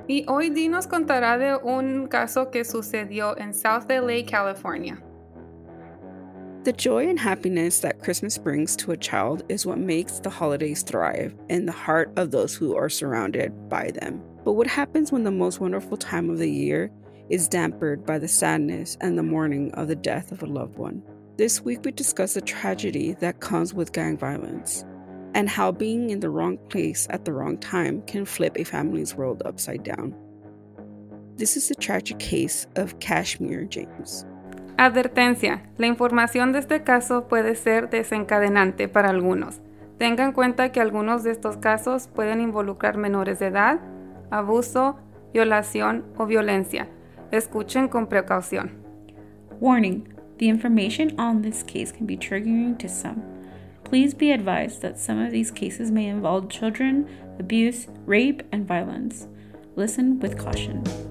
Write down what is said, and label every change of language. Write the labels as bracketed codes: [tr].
[es] Y hoy Dee nos contará de un caso que sucedió en South LA, California. [en] The joy and happiness that Christmas brings to a child is what makes the holidays thrive in the heart of those who are surrounded by them. But what happens when the most wonderful time of the year is dampened by the sadness and the mourning of the death of a loved one? This week we discuss the tragedy that comes with gang violence, and how being in the wrong place at the wrong time can flip a family's world upside down. This is the tragic case of Kashmier James. [es] Advertencia, la información de este caso puede ser desencadenante para algunos. Tenga en cuenta que algunos de estos casos pueden involucrar menores de edad, abuso, violación o violencia. Escuchen con precaución. [en] Warning, the information on this case can be triggering to some. Please be advised that some of these cases may involve children, abuse, rape, and violence. Listen with caution.